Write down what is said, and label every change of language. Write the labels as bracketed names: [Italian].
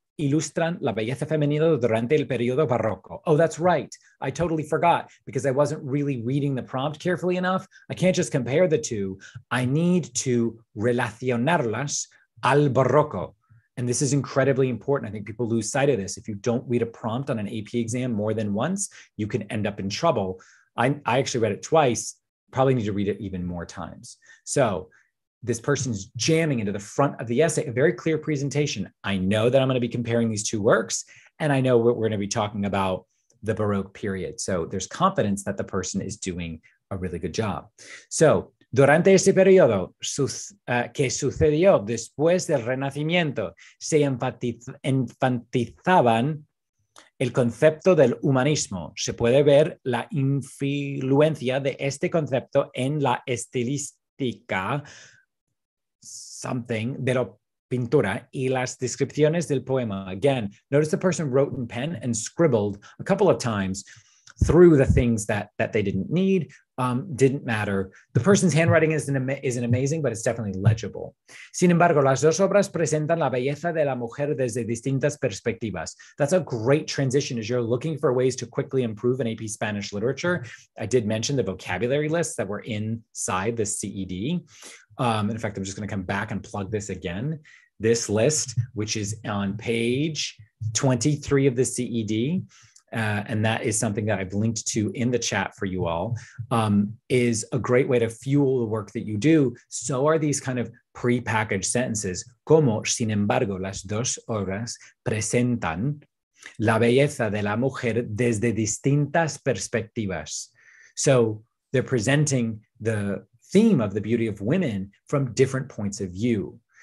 [Spanish] ilustran la belleza femenina durante el periodo barroco. [English] Oh, that's right. I totally forgot because I wasn't really reading the prompt carefully enough. I can't just compare the two. I need to [Spanish] relacionarlas al barroco. [English] And this is incredibly important. I think people lose sight of this. If you don't read a prompt on an AP exam more than once, you can end up in trouble. I actually read it twice, probably need to read it even more times. So this person's jamming into the front of the essay, a very clear presentation. I know that I'm going to be comparing these two works, and I know we're going to be talking about the Baroque period. So there's confidence that the person is doing a really good job. [Spanish] So durante ese periodo que sucedió después del Renacimiento, se enfatizaban el concepto del humanismo. Se puede ver la influencia de este concepto en la estilística something de la pintura y las descripciones del poema. [English] Again, notice the person wrote in pen and scribbled a couple of times through the things that they didn't need, didn't matter. The person's handwriting isn't amazing, but it's definitely legible. [Spanish] Sin embargo, las dos obras presentan la belleza de la mujer desde distintas perspectivas. [English] That's a great transition as you're looking for ways to quickly improve an AP Spanish literature. I did mention the vocabulary lists that were inside the CED. In fact, I'm just going to come back and plug this again. This list, which is on page 23 of the CED, and that is something that I've linked to in the chat for you all, is a great way to fuel the work that you do. So are these kind of pre-packaged sentences. [Spanish] Como, sin embargo, las dos obras presentan la belleza de la mujer desde distintas perspectivas. [English] So they're presenting the theme of the beauty of women from different points of view.